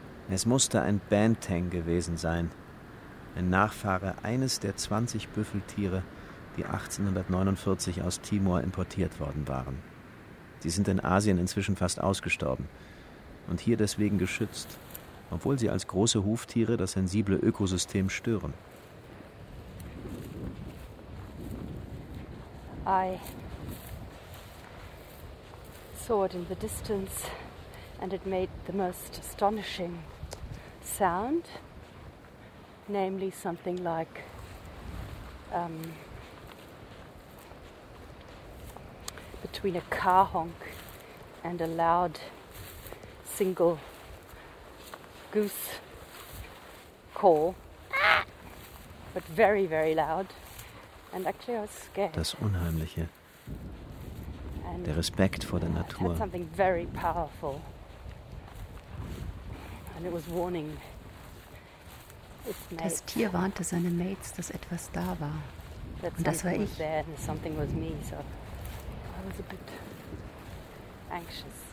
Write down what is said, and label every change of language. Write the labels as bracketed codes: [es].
[de] Es musste ein Bantang gewesen sein, ein Nachfahre eines der 20 Büffeltiere, die 1849 aus Timor importiert worden waren. Sie sind in Asien inzwischen fast ausgestorben und hier deswegen geschützt, obwohl sie als große Huftiere das sensible Ökosystem stören. [en] I saw it in the distance and it made the most astonishing sound, namely something like between a car honk and a loud single goose call, but very, very loud. And actually I was scared. [de] Das Unheimliche, and der Respekt vor der Natur. [en] It had something very powerful, and it was warning its mates. [de] Das Tier warnte seine Mates, dass etwas da war, und das war ich. [en] There and something was me, so I was a bit anxious.